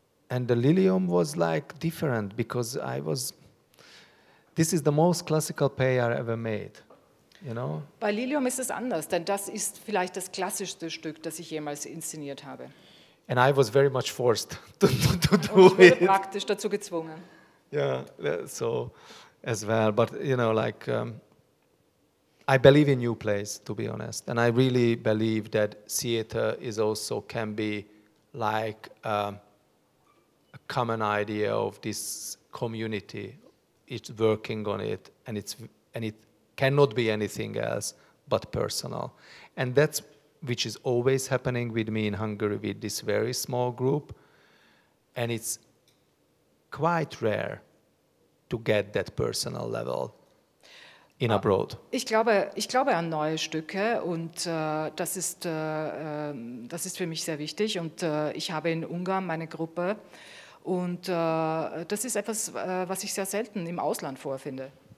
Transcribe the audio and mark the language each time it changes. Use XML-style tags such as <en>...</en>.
<en>And the Lilium was like different because I was. This is the most classical play I ever made, you know.</en> <de>Bei Lilium ist es anders, denn das ist vielleicht das klassischste Stück, das ich jemals inszeniert habe.</de> <en>And I was very much forced to do</en> <de>it. Ich wurde praktisch dazu gezwungen.</de> <en>Yeah, so as well, but you know, like I believe in new plays, to be honest, and I really believe that theater is also can be like a common idea of this community. It's working on it, and it cannot be anything else but personal, and that's which is always happening with me in Hungary with this very small group, and it's quite rare to get that personal level in abroad.</en> <de>Ich glaube an neue Stücke und das ist für mich sehr wichtig und ich habe in Ungarn meine Gruppe. Und das ist etwas, was ich sehr selten im Ausland vorfinde.</de>